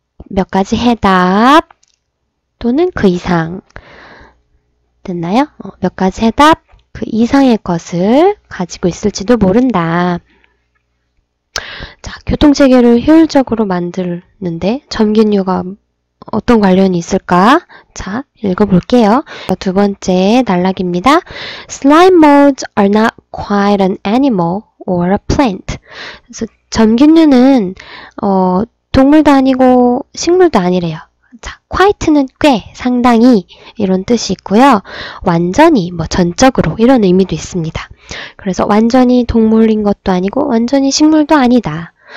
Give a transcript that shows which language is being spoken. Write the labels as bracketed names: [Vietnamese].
[Korean] 몇 가지 해답 또는 그 이상 됐나요? 몇 가지 해답 그 이상의 것을 가지고 있을지도 모른다. 자, 교통체계를 효율적으로 만드는데 점균류가 어떤 관련이 있을까? 자, 읽어볼게요. 두 번째 단락입니다. [English] Slime molds are not quite an animal or a plant. [Korean] 그래서 점균류는 동물도 아니고 식물도 아니래요. 자, quite는 꽤, 상당히 이런 뜻이 있고요. 완전히, 뭐 전적으로 이런 의미도 있습니다. 그래서 완전히 동물인 것도 아니고 완전히 식물도 아니다.